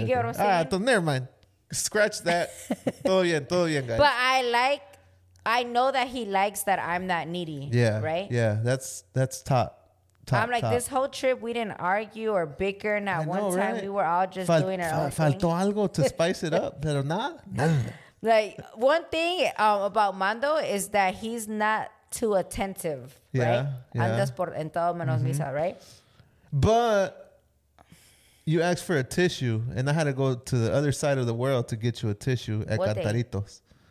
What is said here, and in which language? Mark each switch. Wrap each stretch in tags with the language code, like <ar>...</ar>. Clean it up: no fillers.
<en>You get what I'm saying? Never mind. Scratch that.</en> <es>Todo bien,</es> <en>guys. But I know that he likes that I'm that needy. Yeah. Right? Yeah, that's top. This whole trip, we didn't argue or bicker. Not one time. We were all just doing our own thing.</en> <es>Faltó algo</es> <en>to spice it up,</en> <es>pero nada.</es> <en>Like, one thing about Mando is that he's not too attentive, right?</en> <es>Andas por en todo menos misa, right?</es> <en>But you asked for a tissue, and I had to go to the other side of the world to get you a tissue at Cantaritos.</en>